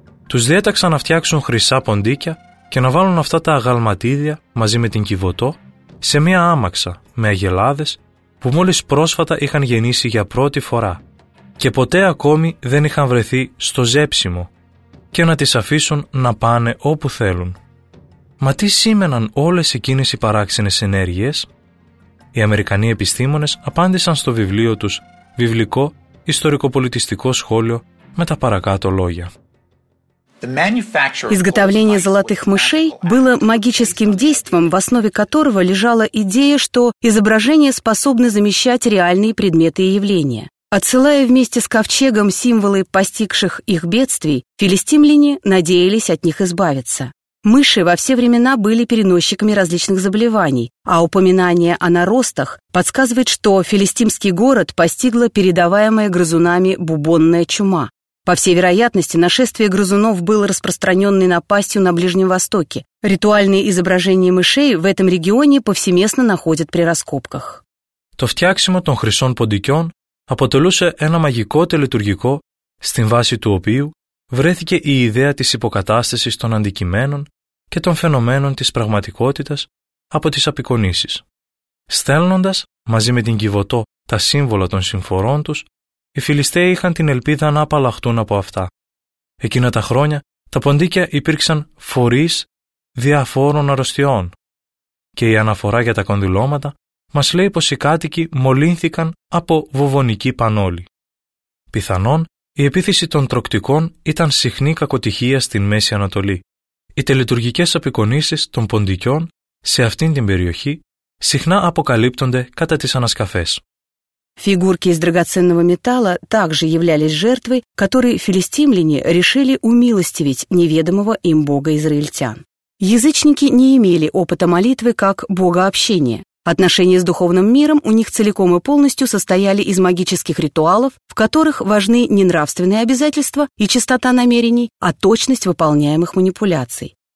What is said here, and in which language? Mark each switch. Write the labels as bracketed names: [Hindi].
[Greek] Τους διέταξαν να φτιάξουν χρυσά ποντίκια και να βάλουν αυτά τα αγαλματίδια μαζί με την κυβωτό σε μια άμαξα με αγελάδες που μόλις πρόσφατα είχαν γεννήσει για πρώτη φορά και ποτέ ακόμη δεν είχαν βρεθεί στο ζέψιμο και να τις αφήσουν να πάνε όπου θέλουν. Μα τι σήμαιναν όλες εκείνες οι παράξενες ενέργειες? Οι Αμερικανοί επιστήμονες απάντησαν στο βιβλίο τους «Βιβλικό ιστορικοπολιτιστικό σχόλιο» με τα παρακάτω λόγια. [Russian] Изготовление золотых мышей было магическим действом, в основе которого лежала идея, что изображения способны замещать реальные предметы и явления. Отсылая вместе с ковчегом символы постигших их бедствий, филистимляне надеялись от них избавиться. Мыши во все времена были переносчиками различных заболеваний, а упоминание о наростах подсказывает, что филистимский город постигла передаваемая грызунами бубонная чума. По всей вероятности, нашествие грызунов было распространенной напастью на Ближнем Востоке. Ритуальные изображения мышей в этом регионе повсеместно находят при раскопках. [Greek] Το φτιάξιμο των χρυσών ποντικιών αποτελούσε ένα μαγικό τελετουργικό, στην βάση του οποίου βρέθηκε η ιδέα της υποκατάστασης των αντικειμένων και των φαινομένων της πραγματικότητας από τις απεικονίσεις. Στέλνοντας μαζί με την κυβωτό τα σύμβολα των συμφορών τους, οι Φιλιστέοι είχαν την ελπίδα να απαλλαχτούν από αυτά. Εκείνα τα χρόνια, τα ποντίκια υπήρξαν φορείς διαφόρων αρρωστιών. και η αναφορά για τα κονδυλώματα μας λέει πως οι κάτοικοι μολύνθηκαν από βουβονική πανόλη. Πιθανόν, η επίθεση των τροκτικών ήταν συχνή κακοτυχία στην Μέση Ανατολή. Οι τελετουργικές απεικονίσεις των ποντικιών σε αυτήν την περιοχή συχνά αποκαλύπτονται κατά τις ανασκαφές. [Russian] Фигурки из драгоценного металла также являлись жертвой, которой филистимляне решили умилостивить неведомого им бога израильтян. Язычники не имели опыта молитвы как богообщения. Отношения с духовным миром у них целиком и полностью состояли из магических ритуалов, в которых важны не нравственные обязательства и чистота намерений, а точность выполняемых манипуляций.